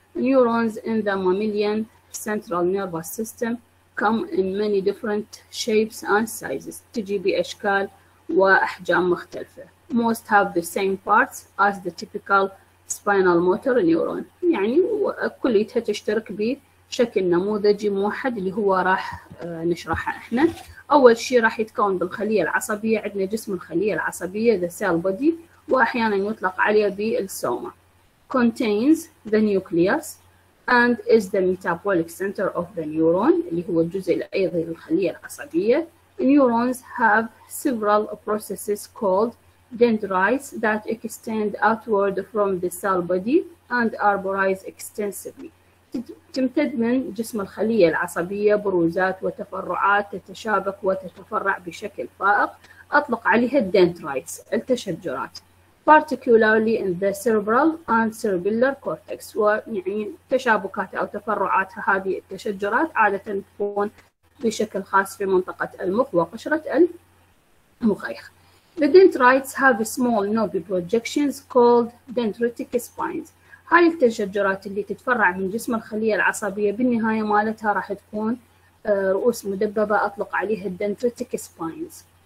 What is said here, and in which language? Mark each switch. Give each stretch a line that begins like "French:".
English: neurons in the mammalian central nervous system come in many different shapes and sizes،
Arabic: تجي باشكال واحجام مختلفه.
English: Most have the same parts as the typical spinal motor neuron،
Arabic: يعني كليتها تشترك ب شكل نموذجي موحد اللي هو راح نشرحه احنا. اول شيء راح يتكون بالخليه العصبيه، عندنا جسم الخليه العصبيه ذا سيل بودي، واحيانا يطلق عليه بالسوما.
English: contains the nucleus and is the metabolic center of the neuron
Arabic: اللي هو الجزء الايضي للخليه العصبيه.
English: neurons have several processes called dendrites that extend outward from the cell body and arborize extensively،
Arabic: تمتد من جسم الخلية العصبية بروزات وتفرعات تتشابك وتتفرع بشكل فائق، أطلق عليها الدنترايتس التشجرات.
English: particularly in the cerebral and cerebellar cortex،
Arabic: ويعني تشابكات أو تفرعات هذه التشجرات عادة تكون بشكل خاص في منطقة المخ وقشرة المخيخ.
English: the dendrites have small knobby projections called dendritic spines،
Arabic: هاي التشجرات اللي تتفرع من جسم الخلية العصبية بالنهاية مالتها راح تكون رؤوس مدببة، أطلق عليها الدنتريتيك سباينز.